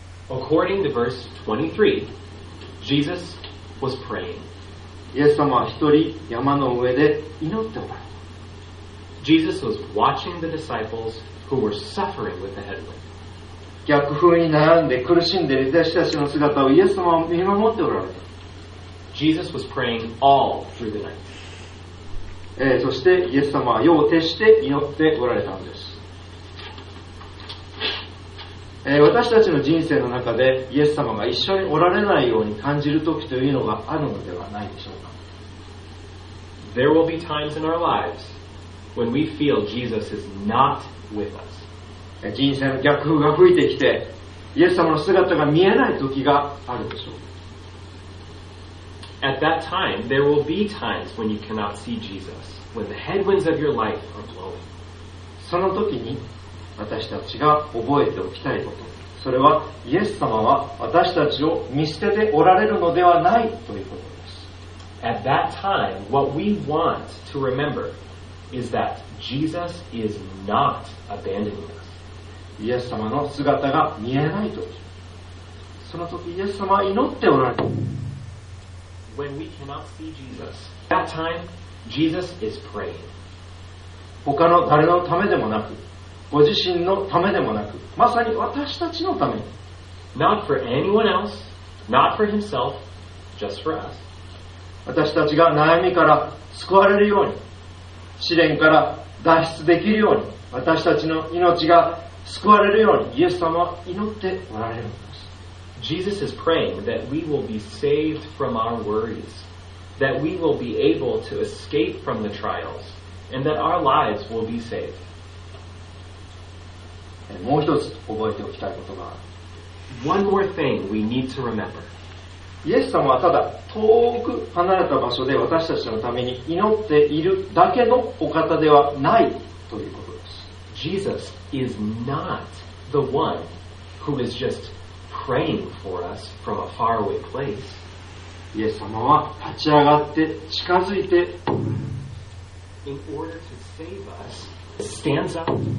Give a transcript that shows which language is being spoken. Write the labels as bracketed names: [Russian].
[English] According to verse 23, Jesus was praying. [Japanese] イエス様は一人山の上で祈っておられた。 [English] Jesus was watching the disciples who were suffering with the headwind. [Japanese] 逆風に悩んで苦しんでいる弟子たちの姿をイエス様は見守っておられた。 [English] Jesus was praying all through the night. [Japanese] そしてイエス様は夜を徹して祈っておられたんです。私たちの人生の中でイエス様が一緒におられないように感じる時というのがあるのではないでしょうか。 [English] There will be times in our lives when we feel Jesus is not with us. [Japanese] 人生の逆風が吹いてきてイエス様の姿が見えない時があるでしょう。 [English] At that time, there will be times when you cannot see Jesus, when the headwinds of your life are blowing. [Japanese] その時に私たちが覚えておきたいこと、それはイエス様は私たちを見捨てておられるのではないということです。 [English] At that time, what we want to remember is that Jesus is not abandoning us. [Japanese] イエス様の姿が見えないとき、その時イエス様は祈っておられる。 [English] When we cannot see Jesus, that time, Jesus is praying. [Japanese] 他の誰のためでもなく、ご自身のためでもなく、まさに私たちのために。 [English] Not for anyone else, not for himself, just for us. [Japanese] 私たちが悩みから救われるように、試練から脱出できるように、私たちの命が救われるようにイエス様は祈っておられるんです。 [English] Jesus is praying that we will be saved from our worries, that we will be able to escape from the trials, and that our lives will be saved. [Japanese] もう一つ覚えておきたいことがある。 [English] One more thing we need to remember. [Japanese] イエス様はただ遠く離れた場所で私たちのために祈っているだけのお方ではないということです。 [English] Jesus is not the one who is just praying for us from a faraway place. [Japanese] イエス様は立ち上がって近づいて、 [English] In order to save us, stands up.